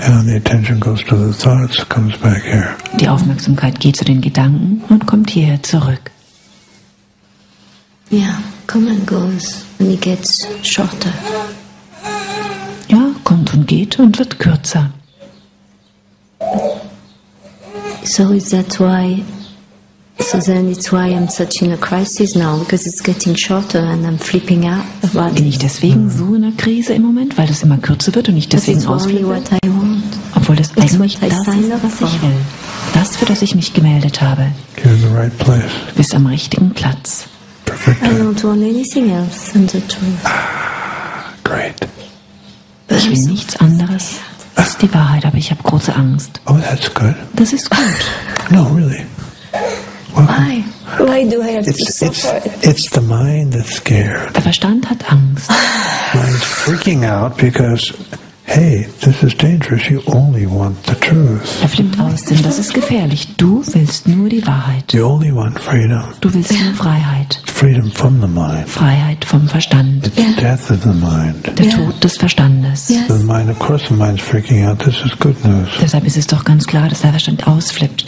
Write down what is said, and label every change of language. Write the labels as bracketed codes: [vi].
[en] and the attention goes to the thoughts, comes back here. [de] Die Aufmerksamkeit geht zu den Gedanken und kommt hierher zurück. [en] Yeah, come and goes and it gets shorter. [de] Ja, kommt und geht und wird kürzer. [en] So is that why? So then it's why I'm such in a crisis now, because it's getting shorter and I'm flipping out. [de] About bin ich deswegen so in einer Krise im Moment, weil es immer kürzer wird und ich deswegen ausflippe? Obwohl das eigentlich das ist, was ich will. Das, für das ich mich gemeldet habe. [en] You're in the right place. [de] Du bist am richtigen Platz. [en] Perfect. I don't want anything else than the truth. Great. [de] But ich will so nichts anderes. Das ist die Wahrheit, aber ich habe große Angst. [en] Oh, that's good. [de] Das ist gut. [en] No, really. Welcome. Why? Why do I have to suffer? It's the mind that's scared. [de] Der Verstand hat Angst. [en] Mind's freaking out because, hey, this is dangerous. You only want the truth. [de] Er flippt aus, denn das ist gefährlich. Du willst nur die Wahrheit. [en] You only want freedom. [de] Du willst nur Freiheit. [en] Freedom from the mind. [de] Freiheit vom Verstand. [en] It's death of the mind. [de] Der Tod des Verstandes. [en] Yes. The mind, of course, the mind's freaking out. This is good news. [de] Deshalb ist es doch ganz klar, dass der Verstand ausflippt.